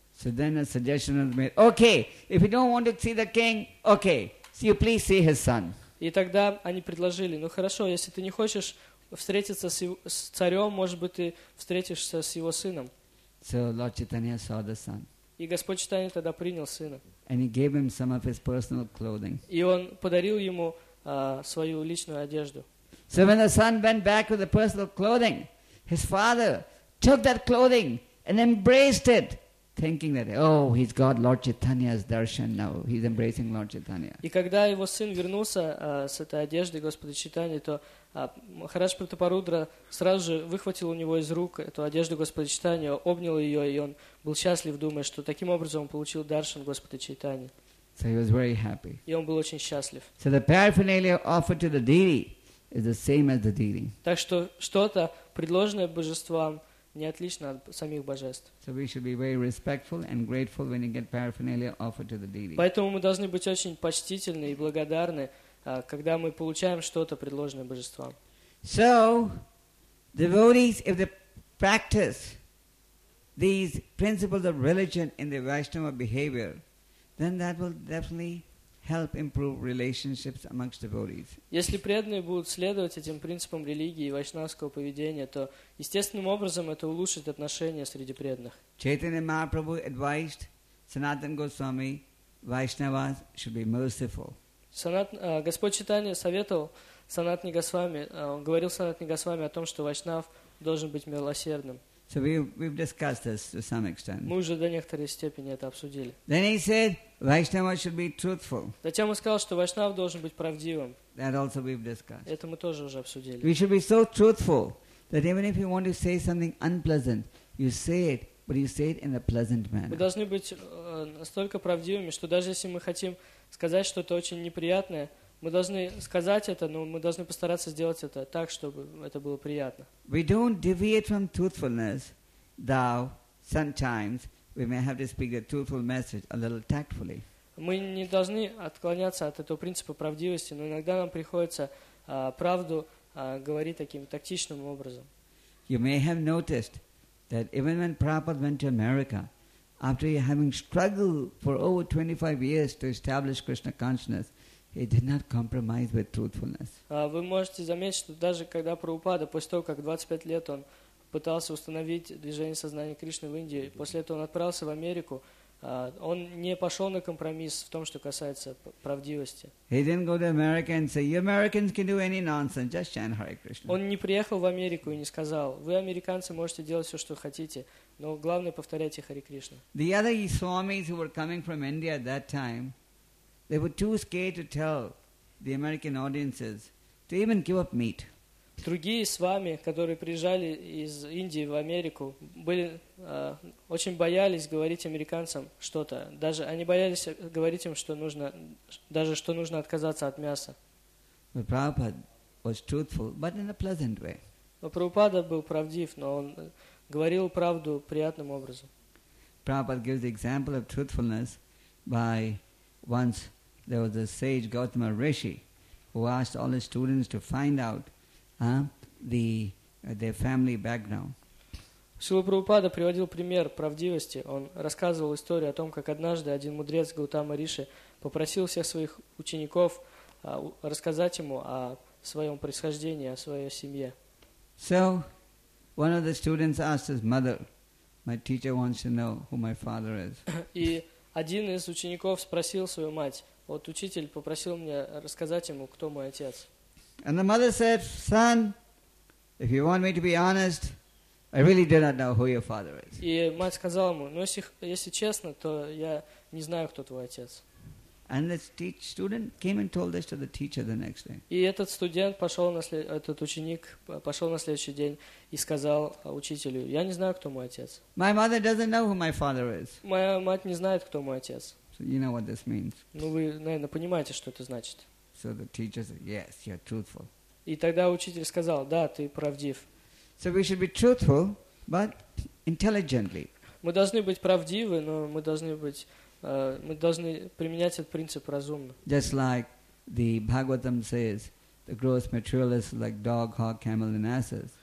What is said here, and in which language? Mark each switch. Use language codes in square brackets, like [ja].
[en] So then a suggestion was made. Okay, if you don't want to see the king, okay, so you please see his son. [ru] И тогда они предложили, ну хорошо, если ты не хочешь встретиться с царем, может быть, ты встретишься с его сыном. [en] So Lord Chaitanya saw the son. [ru] И Господь Читания тогда принял сына. [en] And he gave him some of his personal clothing. [ru] И он подарил ему свою личную одежду. [en] So when the son went back with the personal clothing, his father took that clothing and embraced it, thinking that, oh, he's got Lord Chaitanya's darshan now. He's embracing Lord Chaitanya. [ru] И когда его сын вернулся с этой одеждой Господа Читания, то Махарадж Пратапарудра сразу же выхватил у него из рук эту одежду Господа Читания, обнял ее, и он был счастлив, думая, что таким образом он получил даршан Господа Читания. [en] So he was very happy. [ru] И он был очень счастлив. [en] So the paraphernalia offered to the deity is the same as the deity. [ru] Так что что-то, предложенное божествам, не отлично от самих божеств. [en] So we should be very respectful and grateful when you get paraphernalia offered to the deity. [ru] Поэтому мы должны быть очень почтительны и благодарны, когда мы получаем что-то, предложенное божеством. [en] So, devotees, if they practice these principles of religion in their Vaishnava behavior, then that will definitely help improve relationships amongst devotees. [ru] Если преданные будут следовать этим принципам религии и вайшнавского поведения, то естественным образом это улучшит отношения среди преданных. [en] Chaitanya Mahaprabhu advised Sanatan Goswami, Vaishnavas should be merciful. [ru] Господь Читания советовал Санатни Госвами, он говорил Санатни Госвами о том, что вайшнав должен быть милосердным. [en] So we've discussed this to some extent. [ru] Мы уже до некоторой степени это обсудили. [en] Then he said, Vaishnava should be truthful. [ru] Затем он сказал, что вайшнав должен быть правдивым. [en] That also we've discussed. [ru] Это мы тоже уже обсудили. [en] We should be so truthful that even if you want to say something unpleasant, you say it, but you say it in a pleasant manner. [ru] Мы должны быть настолько правдивыми, что даже если мы хотим сказать что-то очень неприятное, мы должны сказать это, но мы должны постараться сделать это так, чтобы это было приятно. [en] We don't deviate from truthfulness, though sometimes we may have to speak the truthful message a little tactfully. [ru] Мы не должны отклоняться от этого принципа правдивости, но иногда нам приходится правду говорить таким тактичным образом. [en] You may have noticed that even when Prabhupada went to America, after having struggled for over 25 years to establish Krishna consciousness, he did not compromise with truthfulness. [ru] Вы можете заметить, что даже когда Прабхупада, после того, как 25 лет он пытался установить движение сознания Кришны в Индии, после этого он отправился в Америку, он не пошел на компромисс в том, что касается правдивости. [en] He didn't go to America and say, "You Americans can do any nonsense, just chant Hare Krishna." [ru] Он не приехал в Америку и не сказал, "Вы, американцы, можете делать все, что хотите, но главное повторяйте Хари Кришна." [en] The other Swamis who were coming from India at that time, they were too scared to tell the American audiences to even give up meat. [ru] Другие свами, которые приезжали из Индии в Америку, были очень боялись говорить американцам что-то. Даже они боялись говорить им, что нужно, даже что нужно отказаться от мяса. [en] But Prabhupada was truthful, but in a pleasant way. [ru] Но Прабхупада был правдив, но он говорил правду приятным образом. [en] Prabhupada gives the example of truthfulness by once there was a sage Gautama Rishi who asked all his students to find out their family background. [ru] Шрила Прабхупада приводил пример правдивости. Он рассказывал историю о том, как однажды один мудрец Гаутама Риши попросил всех своих учеников рассказать ему о своем происхождении, о своей семье. [en] So, one of the students asked his mother, "My teacher wants to know who my father is." [ru] И один из учеников спросил свою мать. Вот учитель попросил меня рассказать ему, кто мой отец. [en] And the mother said, "Son, if you want me to be honest, I really do not know who your father is." [ru] И мать сказала ему, "Ну, если честно, то я не знаю, кто твой отец." [en] And the student came and told this to the teacher the next day. [ru] И этот студент пошел этот ученик пошел на следующий день и сказал учителю, "Я не знаю, кто мой отец." [en] My mother doesn't know who my father is. [ru] Моя мать не знает, кто мой отец. [en] So you know what this means. [ru] Ну, вы, наверное, понимаете, что это значит. [en] So the teacher said, "Yes, you're truthful." [ru] И тогда учитель сказал, "Да, ты правдив." [en] So we should be truthful, but intelligently. [ru] Мы должны быть правдивы, но мы должны быть, мы должны применять этот принцип разумно. [en] Just like the Bhagavatam says, the gross materialists like dog, hog, camel, and asses.